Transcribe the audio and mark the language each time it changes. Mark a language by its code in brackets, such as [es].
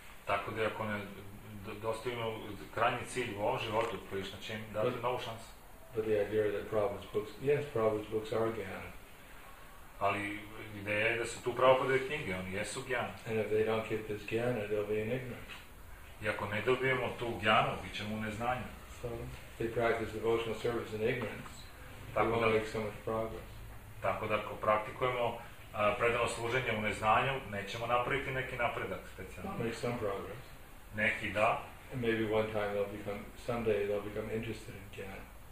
[hr] Tako da ako ne dostignu krajnji cilj u ovom životu, Krishna će im dati novu šansu. [en] But the idea that Prabhupada's books, yes, Prabhupada's books are jnana. [hr] Ali ideja je da su tu Prabhupada knjige, oni jesu jnana. [en] And if they don't get this jnana, they'll be in ignorance. [hr] I ako ne dobijemo tu jnanu, bit ćemo u neznanju. [en] So, they practice devotional service in ignorance, they won't make so much progress. [hr] Tako da ako praktikujemo predano služenje u neznanju, nećemo napraviti neki napredak specijalno. [en] Make some progress. [hr] Neki da. [en] And maybe one time they'll become, someday they'll become interested in jnana.